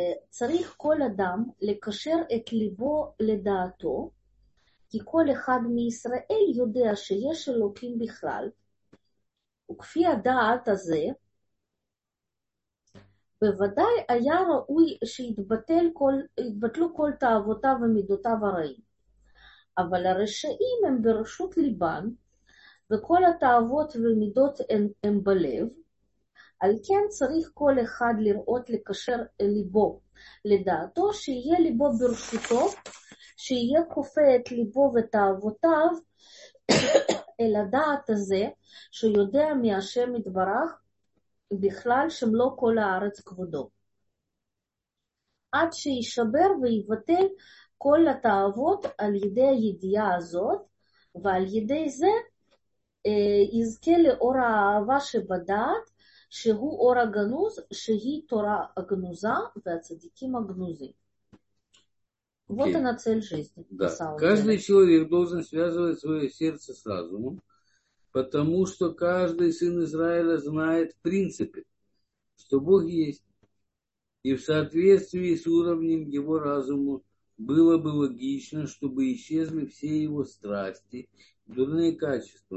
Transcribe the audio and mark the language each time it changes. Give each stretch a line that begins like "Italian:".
Hebrew: Царих коль адам лекашер эт либо ледаато, ки коль эхад ми Исраэль йодеа шееш Элоким бихлал, וכפי הדעת הזה, בוודאי היה ראוי שיתבטלו כל תאוותיו ומידותיו הרעים. אבל הרשעים הם ברשות ליבן, וכל התאוות ומידות הם בלב, על כן צריך כל אחד לראות לקשר ליבו לדעתו, שיהיה ליבו ברשותו, שיהיה כופה את ליבו ותאוותיו, אל הדעת הזה שיודע מהשם מתברך בכלל שמלוא כל הארץ כבודו. עד שישבר ויבטל כל התאוות על ידי הידיעה הזאת, ועל ידי זה יזכה לאור האהבה שבדעת, שהוא אור הגנוז, שהיא תורה הגנוזה והצדיקים הגנוזים.
Russian: Okay. Вот она цель жизни. Да. Каждый человек должен связывать свое сердце с разумом, потому что каждый сын Израиля знает в принципе, что Бог есть. И в соответствии с уровнем его разума было бы логично, чтобы исчезли все его страсти, дурные качества.